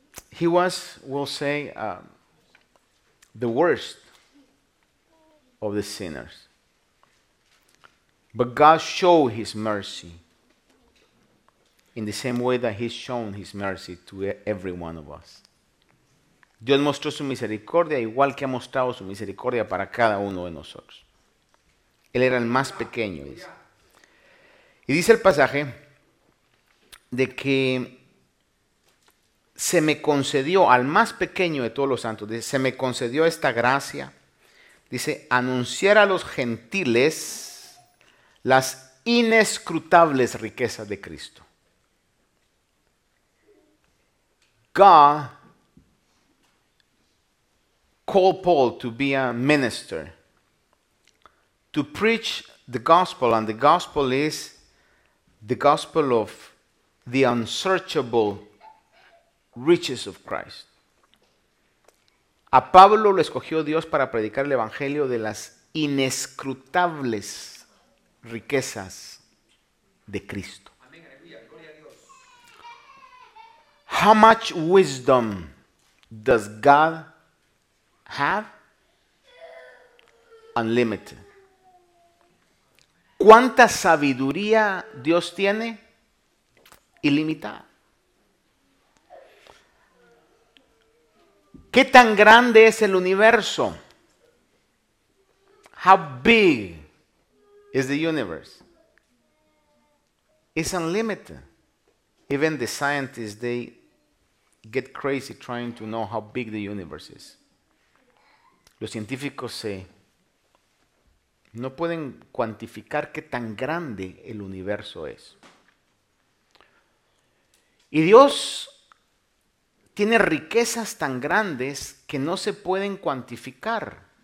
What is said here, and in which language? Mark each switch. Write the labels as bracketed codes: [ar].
[en] He was, we'll say, the worst of the sinners. But God showed his mercy in the same way that he's shown his mercy to every one of us. [es] Dios mostró su misericordia igual que ha mostrado su misericordia para cada uno de nosotros. Él era el más pequeño, dice. Y dice el pasaje de que se me concedió al más pequeño de todos los santos, dice, se me concedió esta gracia, dice, anunciar a los gentiles las inescrutables riquezas de Cristo. [en] God called Paul to be a minister, to preach the gospel, and the gospel is the gospel of the unsearchable riches of Christ. [es] A Pablo lo escogió Dios para predicar el evangelio de las inescrutables riquezas de Cristo. [en] How much wisdom does God have? [es] Unlimited. ¿Cuánta sabiduría Dios tiene? Ilimitada. ¿Qué tan grande es el universo? [en] How big is the universe? It's unlimited. Even the scientists, they get crazy trying to know how big the universe is. [es] Los científicos no pueden cuantificar qué tan grande el universo es. Y Dios tiene riquezas tan grandes que no se pueden cuantificar.